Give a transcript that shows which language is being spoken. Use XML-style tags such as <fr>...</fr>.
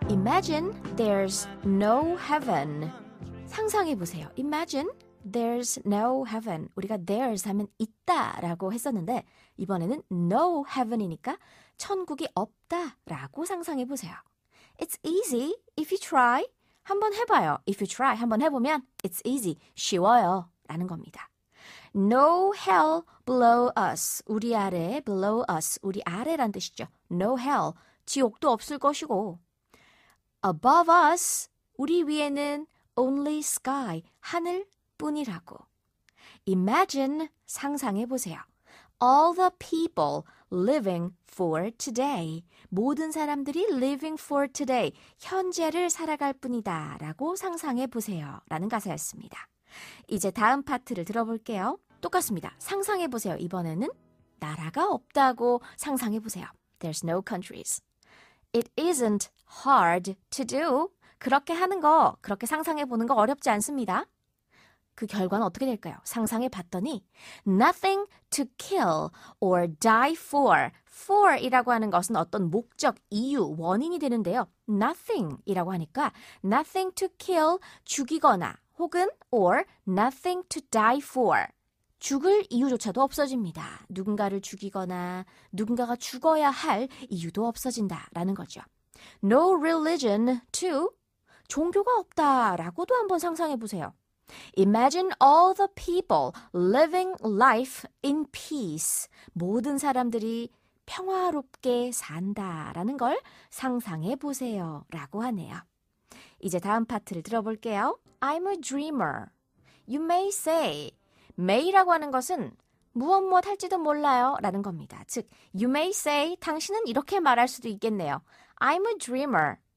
<en>Imagine there's no heaven.</en> <ko>상상해보세요.</ko> <en>Imagine there's no heaven.</en> <ko>우리가 there's 하면 있다라고 했었는데 이번에는</ko> <en>no heaven</en> <ko>이니까 천국이 없다라고 상상해보세요.</ko> <en>It's easy if you try.</en> <ko>한번 해봐요.</ko> <en>If you try,</en> <ko>한번 해보면</ko> <en>it's easy,</en> <ko>쉬워요. 라는 겁니다.</ko> <en>No hell below us.</en> <ko>우리 아래,</ko> <en>below us.</en> <ko>우리 아래란 뜻이죠.</ko> <en>No hell.</en> <ko>지옥도 없을 것이고.</ko> <en>Above us.</en> <ko>우리 위에는</ko> <en>only sky.</en> <ko>하늘뿐이라고. Imagine. 상상해보세요.</ko> <en>All the people living for today.</en> <ko>모든 사람들이</ko> <en>living for today,</en> <ko>현재를 살아갈 뿐이다 라고 상상해 보세요 라는 가사였습니다. 이제 다음 파트를 들어볼게요. 똑같습니다. 상상해 보세요. 이번에는 나라가 없다고 상상해 보세요.</ko> <en>There's no countries. It isn't hard to do.</en> <ko>그렇게 하는 거, 그렇게 상상해 보는 거 어렵지 않습니다. 그 결과는 어떻게 될까요? 상상해 봤더니</ko> <en>nothing to kill or die for.</en> <ko>For 이라고 하는 것은 어떤 목적, 이유, 원인이 되는데요.</ko> <en>nothing</en> <ko>이라고 하니까</ko> <en>nothing to kill,</en> <ko>죽이거나 혹은</ko> <en>or nothing to die for.</en> <ko>죽을 이유조차도 없어집니다. 누군가를 죽이거나 누군가가 죽어야 할 이유도 없어진다라는 거죠.</ko> <en>No religion to.</en> <ko>종교가 없다라고도 한번 상상해 보세요.</ko> <en>Imagine all the people living life in peace.</en> <ko>모든 사람들이 평화롭게 산다라는 걸 상상해 보세요 라고 하네요. 이제 다음 파트를 들어볼게요.</ko> <en>I'm a dreamer. You may say.</en> <ko>May라고 하는 것은 무엇무엇 할지도 몰라요 라는 겁니다. 즉,</ko> <en>you may say,</en> <ko>당신은 이렇게 말할 수도 있겠네요.</ko> <en>I'm a dreamer.</en>